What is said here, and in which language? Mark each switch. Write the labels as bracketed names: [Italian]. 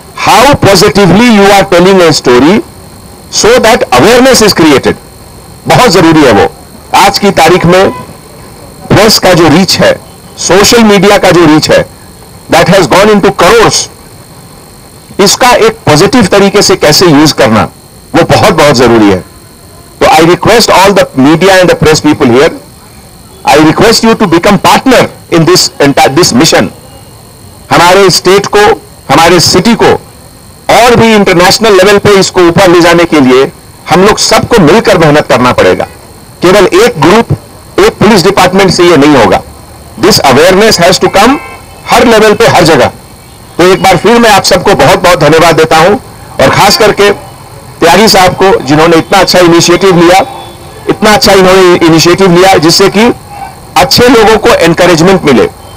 [English] how positively you are telling a story so that awareness is created [Hindi] बहुत जरूरी है. वो आज की तारीख में प्रेस का जो रीच है सोशल मीडिया का जो रीच है [English] that has gone into [Hindi] crore. इसका एक पॉजिटिव तरीके से कैसे यूज करना वो बहुत बहुत जरूरी है. [English] So I request all the media and the press people here, I request you to become partner in this entire this mission. [Hindi] Hamare state ko, hamare city ko, और भी इंटरनेशनल लेवल पे इसको ऊपर ले जाने के लिए हम लोग सबको मिलकर मेहनत करना पड़ेगा. केवल एक ग्रुप, एक पुलिस डिपार्टमेंट से ये नहीं होगा. [English] this awareness has to come [Hindi] हर level पे, हर जगह. तो एक बार फिर मैं आप सबको बहुत बहुत धन्यवाद देता हूं, और खास करके त्यागी साहब को जिन्होंने इतना अच्छा इनिशिएटिव लिया, इतना अच्छा इन्होंने इनिशिएटिव लिया जिससे कि अच्छे लोगों को एनकरेजमेंट मिले.